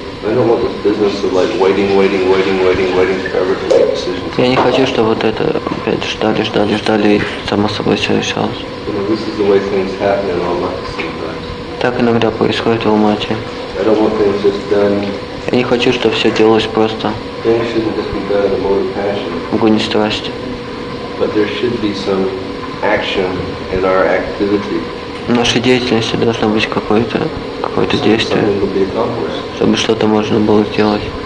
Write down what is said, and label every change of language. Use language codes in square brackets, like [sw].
[en] I don't want this business of like waiting forever to make decisions. [ru] Я не хочу, чтобы вот это опять ждали и само собой все решалось. [en] You know, this is the way things happen in Almaty. [ru] Так иногда происходит в Алмате. [en] I don't want things just done. [ru] Я не хочу, чтобы все делалось просто. [en] Things shouldn't just be done in a mode of passion. [ru] В гоне страсти. [en] But there should be some action in our activity. [ru] В нашей деятельности должно быть какое-то действие, чтобы что-то можно было сделать.